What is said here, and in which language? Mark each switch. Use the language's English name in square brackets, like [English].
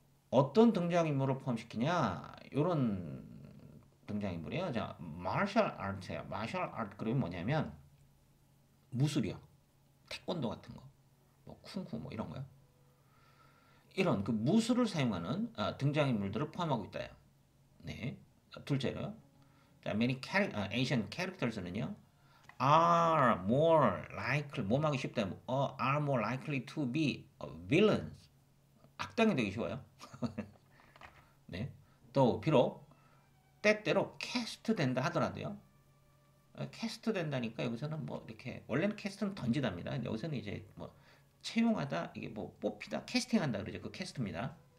[Korean] 어떤 등장인물을 포함시키냐? 이런 등장인물이에요. 자, 마셜 아트예요. 마셜 아트 그러면 뭐냐면 무술이요. 태권도 같은 거. 뭐 쿵푸 뭐 이런 거요. 이런 그 무술을 사용하는 등장인물들을 포함하고 있다요. 네. 둘째로요. [English] 자, many Asian characters는요. are more likely [Korean] 뭐하기 쉽다. [English] are more likely to be villains. [Korean] 악당이 되기 쉬워요. 네. 또 비록 때때로 캐스트 된다 하더라도요. 캐스트 된다니까 여기서는 뭐 이렇게 원래는 캐스트는 던지답니다. 여기서는 이제 뭐 채용하다 이게 뭐 뽑히다 캐스팅한다 그러죠. 그 캐스트입니다.